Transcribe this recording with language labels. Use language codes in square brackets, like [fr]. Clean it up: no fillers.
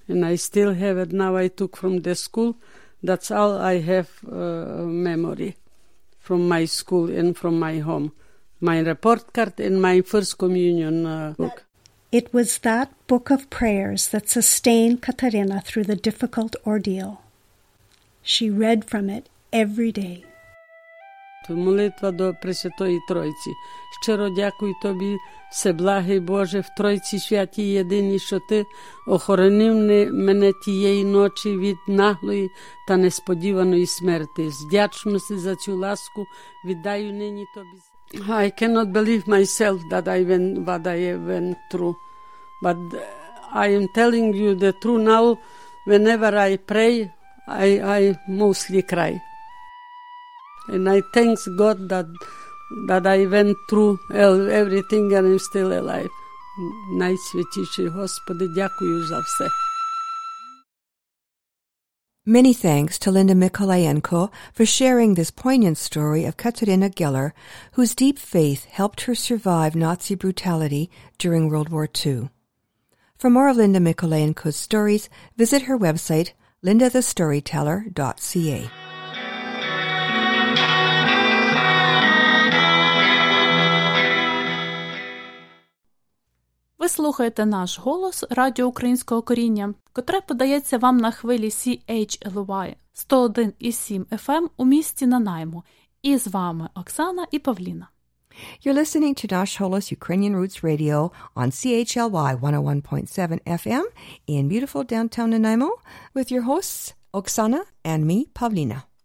[en] And I still have it now. I took from the school. That's all I have memory from my school and from my home. My report card and my First Communion book. It was that book of prayers that sustained Katarina through the difficult ordeal. She read from it every day. [uk] Молитва до Пресвятої Тройці. Щиро дякую тобі, Всеблагий Боже, в Тройці Святій Єдиній, що ти охоронив мене тієї ночі від наглої та несподіваної смерти. З вдячності за цю ласку віддаю нині тобі. [en] I cannot believe myself that I went, what I went through. But I am telling you the truth now. Whenever I pray, I mostly cry. And I thank God that I went through everything and I'm still alive. [uk] Найсвятіший Господи, дякую за все. [en] Many thanks to Linda Mikolayenko for sharing this poignant story of Katarina Gelner, whose deep faith helped her survive Nazi brutality during World War II. For more of Linda Mikolayenko's stories, visit her website, lindathestoryteller.ca. [uk] Ви слухаєте наш голос Радіо Українського коріння, котре подається вам на хвилі CHLY 101.7 FM у місті Нанаймо. І з вами Оксана і Павліна. [en] You're listening to Nash Holos Ukrainian Roots Radio on CHLY 101.7 FM in beautiful downtown Nanaimo with your hosts Oksana and me, Pavlina.